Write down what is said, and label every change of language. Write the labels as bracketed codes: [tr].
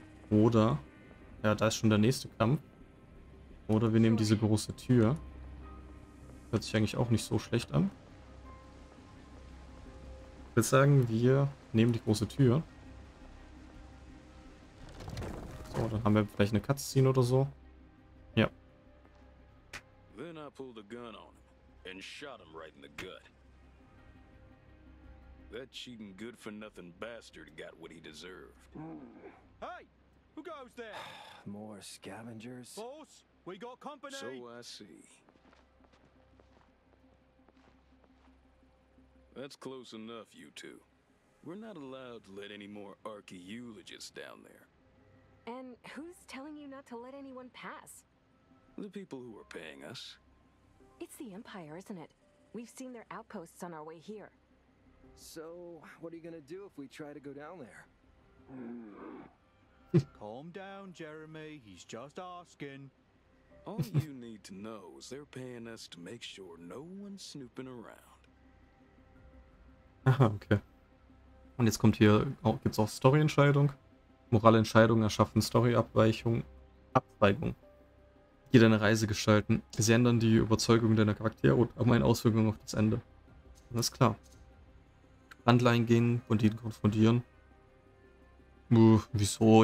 [de] Oder, ja, da ist schon der nächste Kampf. Oder wir nehmen diese große Tür. Hört sich eigentlich auch nicht so schlecht an. Ich würde sagen, wir nehmen die große Tür. So, dann haben wir vielleicht eine Cutscene oder so. Ja. [en] Then I pulled the gun on him and shot him right in the gut. That cheating good for nothing bastard got what he deserved. Hey! Who goes there? More scavengers. Boss, we got company. So I see. That's close enough, you two. We're not allowed to let any more archaeologists down there. And who's telling you not to let anyone pass? The people who are paying us. It's the Empire, isn't it? We've seen their outposts on our way here. So, what are you gonna do if we try to go down there? Calm down, Jeremy. He's just asking. All you need to know is they're paying us to make sure no one's snooping around. Aha, okay. [de] Und jetzt kommt hier, oh, gibt's auch Story-Entscheidung. Moralentscheidungen erschaffen Story-Abweichung. Abweigung. Hier deine Reise gestalten. Sie ändern die Überzeugung deiner Charaktere und haben eine Auswirkung auf das Ende. Alles klar. Anleihen gehen und ihn konfrontieren. Wieso?